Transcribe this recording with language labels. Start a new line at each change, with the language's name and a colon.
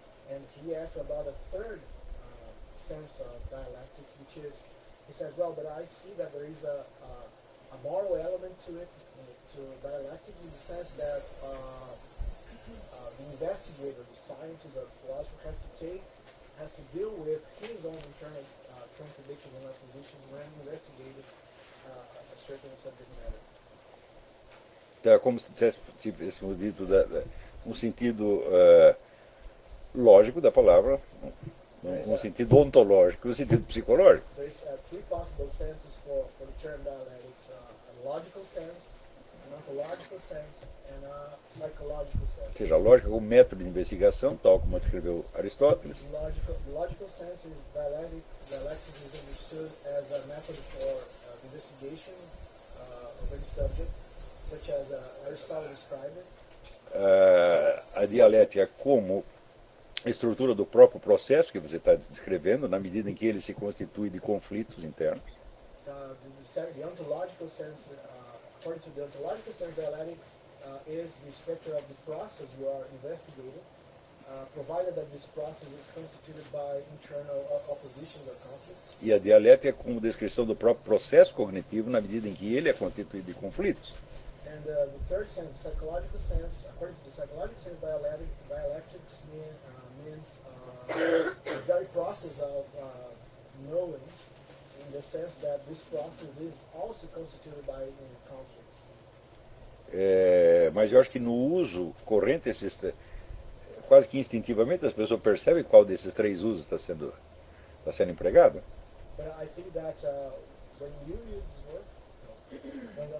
English: And he asks about a third sense of dialectics, which is, he says, well, but I see that there is a moral element to it, to dialectics, in the sense that the investigator, the scientist or philosopher has to deal with his own internal contradictions and oppositions when investigating a certain subject matter.
Portuguese: Então, é como se tivéssemos dito um sentido lógico da palavra, um sentido ontológico, um sentido psicológico.
English: There's three possible senses for the term dialectics: a logical sense, an ontological sense, and a psychological sense.
Portuguese: Ou seja, a lógica como método de investigação, tal como escreveu Aristóteles.
English: Logical sense is dialectics is understood as a method for investigation of any subject. Such as Aristotle described
Portuguese: a dialética como estrutura do próprio processo que você está descrevendo, na medida em que ele se constitui de conflitos internos.
English: The ontological sense, according to the ontological sense, dialectics is the structure of the process you are investigating, provided that this process is constituted by internal oppositions or conflicts.
Portuguese: E a dialética como descrição do próprio processo cognitivo, na medida em que ele é constituído de conflitos.
English: And the third sense, the psychological sense, according to the psychological sense, dialectics means the very process of knowing, in the sense that this process is also constituted by conflicts.
Portuguese: Mas eu acho que no uso corrente, quase que instintivamente, as pessoas percebem qual desses três usos está sendo empregado.
English: But I think that when you use this word,